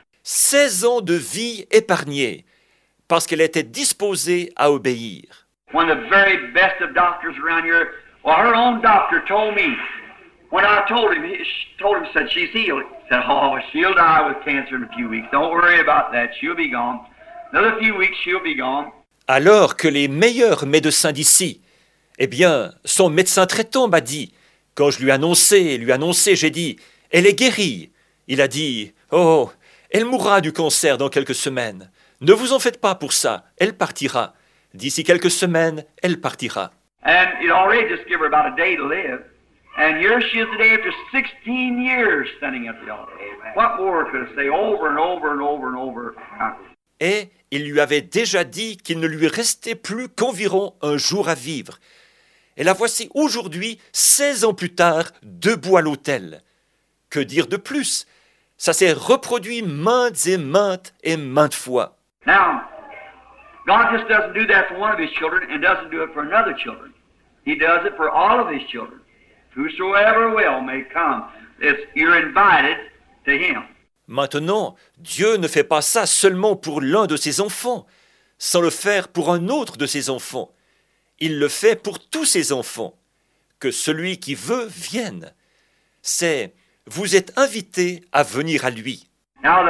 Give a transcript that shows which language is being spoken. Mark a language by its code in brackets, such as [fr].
[fr] 16 ans de vie épargnée parce qu'elle était disposée à obéir. [en] One of the very best of doctors around here, well, her own doctor told me, when I told him, he said, she's healed. He said, oh, she'll die with cancer in a few weeks. Don't worry about that. She'll be gone. Another few weeks, she'll be gone. [fr] Alors que les meilleurs médecins d'ici, eh bien, son médecin traitant m'a dit, quand je lui annonçais, j'ai dit, elle est guérie. Il a dit, oh, elle mourra du cancer dans quelques semaines. Ne vous en faites pas pour ça, elle partira. D'ici quelques semaines, elle partira. [en] And it already just gave her about a day to live. And here she is today after 16 years standing at the altar. What more could I say over and over and over and over? [fr] Et il lui avait déjà dit qu'il ne lui restait plus qu'environ un jour à vivre. Et la voici aujourd'hui, 16 ans plus tard, debout à l'autel. Que dire de plus? Ça s'est reproduit maintes et maintes et maintes fois. [en] Now, God just doesn't do that for one of his children and doesn't do it for another children. He does it for all of his children. Whosoever will may come. You're invited to him. [fr] Maintenant, Dieu ne fait pas ça seulement pour l'un de ses enfants, sans le faire pour un autre de ses enfants. Il le fait pour tous ses enfants, que celui qui veut vienne. C'est « Vous êtes invité à venir à lui ».